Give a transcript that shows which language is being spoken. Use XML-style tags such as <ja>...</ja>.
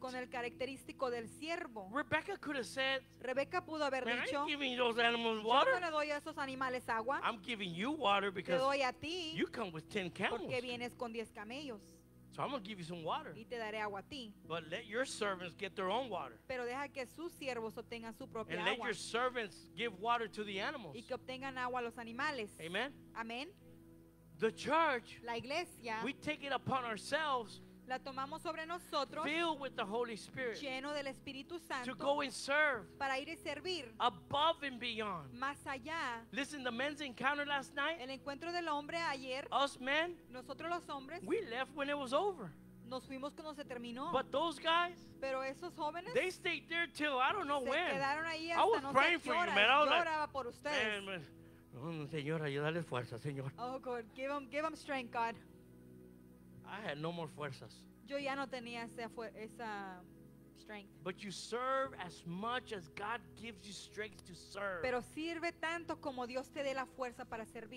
<es>Con el característico del siervo.</es> <en>Rebecca could have said,</en> <es>Rebecca pudo haber</es> <en>Man,</en> <es>dicho,</es> <en>I ain't giving those animals water.</en> <es>Yo no le doy a esos animales agua.</es> <en>I'm giving you water because</en> <es>te doy a ti</es> <en>you come with 10 camels.</en> <es>Porque vienes con 10 camellos.</es> <en>So I'm going to give you some water.</en> <es>Y te daré agua a ti.</es> <en>But let your servants get their own water.</en> <es>Pero deja que sus siervos obtengan su propia</es> <en>and</en> <es>agua.</es> <en>And let your servants give water to the animals.</en> <es>Y que obtengan agua a los animales.</es> <en>Amen.</en> <es>Amen.</es> <en>The church.</en> <es>La iglesia.</es> <en>We take it upon ourselves.</en> <es>La tomamos sobre nosotros.</es> <en>Filled with the Holy Spirit.</en> <es>Lleno del Espíritu Santo.</es> <en>To go and serve.</en> <es>Para ir y servir.</es> <en>Above and beyond.</en> <es>Más allá.</es> <en>Listen, the men's encounter last night.</en> <es>El encuentro del hombre ayer.</es> <en>Us men.</en> <es>Nosotros los hombres.</es> <en>We left when it was over.</en> <es>Nos fuimos cuando se terminó.</es> <en>But those guys.</en> <es>Pero esos jóvenes.</es> <en>They stayed there till I don't know</en> <es>se</es> <en>when.</en> <es>Se quedaron ahí hasta</es> <en>I was</en> <es>no</es> <en>praying for</en> <es>horas.</es> <en>You, man. I was</en> <es>lloraba</es> <en>like,</en> <es>por ustedes. Man. Señor, ayúdale fuerza, Señor.</es> <en>Oh, God. Give them strength, God. I had no more fuerzas.</en> <es>Yo ya no tenía esa strength.</es> <en>But you serve as much as God gives you strength to serve.</en> <es>Pero sirve tanto como Dios te dé la fuerza para servir.</es>